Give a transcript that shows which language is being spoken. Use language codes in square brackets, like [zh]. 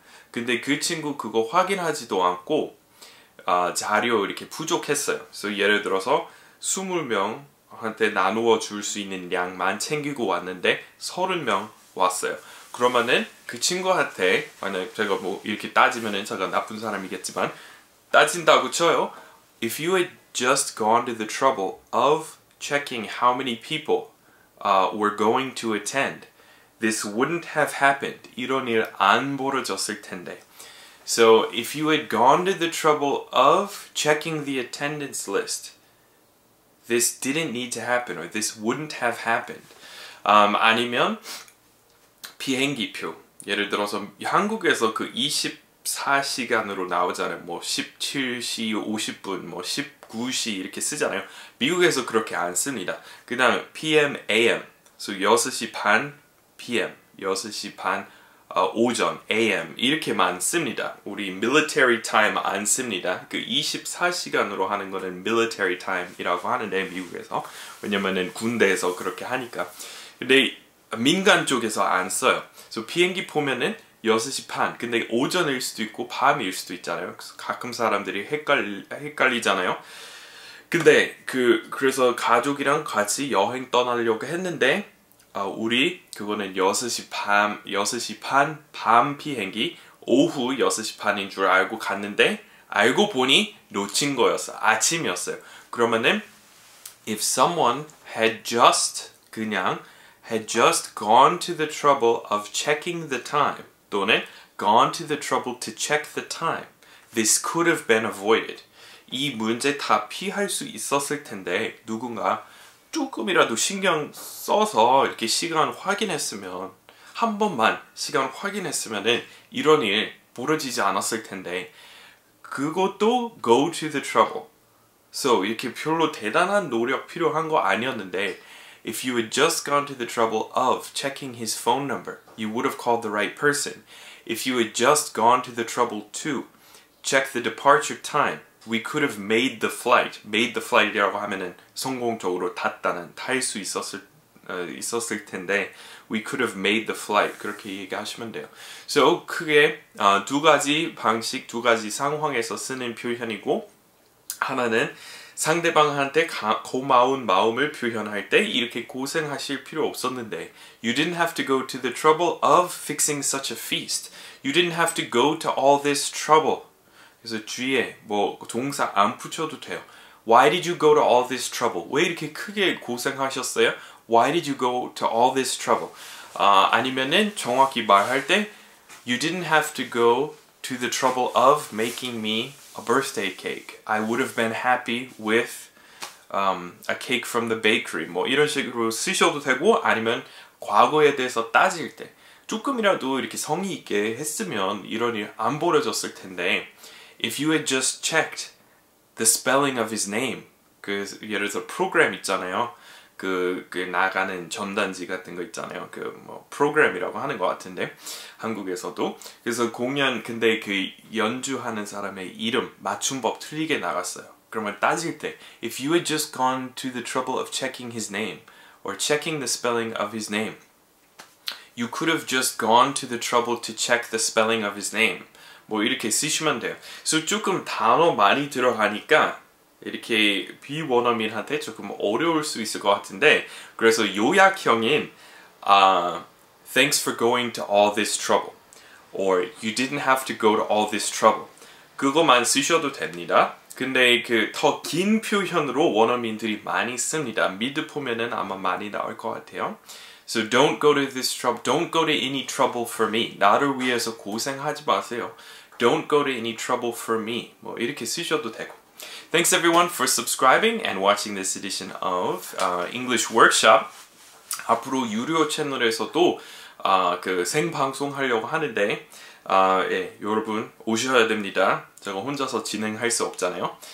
[ko] 근데 그 친구 그거 확인하지도 않고 자료 이렇게 부족했어요. So 예를 들어서 20명한테 나누어 줄 수 있는 양만 챙기고 왔는데 30명 왔어요. 그러면은 그 친구한테 만약 제가 뭐 이렇게 따지면은 제가 나쁜 사람이겠지만 따진다고 쳐요. [en] If you had just gone to the trouble of checking how many people were going to attend, this wouldn't have happened. [ko] 이런 일 안 벌어졌을 텐데. [en] So if you had gone to the trouble of checking the attendance list, this didn't need to happen or this wouldn't have happened. [ko] 아니면 비행기표 예를 들어서 한국에서 그 24시간으로 나오잖아요. 뭐 17시 50분 뭐 19시 이렇게 쓰잖아요. 미국에서 그렇게 안 씁니다. 그냥 PM AM. So 6시 반 PM. 6시 반 오전 AM 이렇게만 씁니다. 우리 military time 안 씁니다. 그 24시간으로 하는 거는 military time이라고 하는데 미국에서 왜냐면은 군대에서 그렇게 하니까. 근데 민간 쪽에서 안 써요. So, 비행기 보면은 6시 반. 근데 오전일 수도 있고 밤일 수도 있잖아요. 그래서 가끔 사람들이 헷갈리잖아요. 근데 그래서 가족이랑 같이 여행 떠나려고 했는데 우리 그거는 6시 반 밤 비행기 오후 6시 반인 줄 알고 갔는데 알고 보니 놓친 거였어. 아침이었어요. 그러면은 [en] if someone had just [ko] 그냥 [en] had just gone to the trouble of checking the time, 또는 gone to the trouble to check the time, this could have been avoided. [ko] 이 문제 다 피할 수 있었을 텐데 누군가 조금이라도 신경 써서 이렇게 시간 확인했으면 한 번만 시간 확인했으면은 이런 일 벌어지지 않았을 텐데 그것도 go to the trouble. [en] So [ko] 이렇게 별로 대단한 노력 필요한 거 아니었는데 [en] If you had just gone to the trouble of checking his phone number, you would have called the right person. If you had just gone to the trouble to check the departure time, we could have made the flight. Made the flight이라고 [ko] 하면은 성공적으로 탔다는 탈 수 있었을 텐데 [en] We could have made the flight. [ko] 그렇게 얘기하시면 돼요. So 크게 두 가지 방식, 두 가지 상황에서 쓰는 표현이고 하나는 상대방한테 고마운 마음을 표현할 때 이렇게 고생하실 필요 없었는데. [en] You didn't have to go to the trouble of fixing such a feast. You didn't have to go to all this trouble. [ko] 그래서 뒤에 뭐 동사 안 붙여도 돼요. [en] Why did you go to all this trouble? [ko] 왜 이렇게 크게 고생하셨어요? [en] Why did you go to all this trouble? [ko] 아니면은 정확히 말할 때 [en] You didn't have to go to the trouble of making me a birthday cake. I would have been happy with a cake from the bakery. [ko] 뭐 이런 식으로 쓰셔도 되고 아니면 과거에 대해서 따질 때 조금이라도 이렇게 성의 있게 했으면 이런 일 안 벌어졌을 텐데 [en] If you had just checked the spelling of his name, [ko] 그 예를 들어 프로그램 있잖아요. 그 나가는 전단지 같은 거 있잖아요. 그 뭐 프로그램이라고 하는 것 같은데 한국에서도 그래서 공연 근데 그 연주하는 사람의 이름 맞춤법 틀리게 나갔어요. [en] 그러면 따질 때 If you had just gone to the trouble of checking his name or checking the spelling of his name, you could have just gone to the trouble to check the spelling of his name. [ko] 뭐 이렇게 쓰시면 돼요. 그래서 조금 단어 많이 들어가니까 이렇게 비원어민한테 조금 어려울 수 있을 것 같은데 그래서 요약형인 [en] Thanks for going to all this trouble [ko] or You didn't have to go to all this trouble 그것만 쓰셔도 됩니다. 근데 그 더 긴 표현으로 원어민들이 많이 씁니다. 미드 보면은 아마 많이 나올 것 같아요. [en] So don't go to this trouble. Don't go to any trouble for me. [ko] 나를 위해서 고생하지 마세요. [en] Don't go to any trouble for me. [ko] 뭐 이렇게 쓰셔도 되고. [en] Thanks everyone for subscribing and watching this edition of English Workshop. [ko] 앞으로 유료 채널에서도 그 생방송 하려고 하는데 예, 여러분 오셔야 됩니다. 제가 혼자서 진행할 수 없잖아요.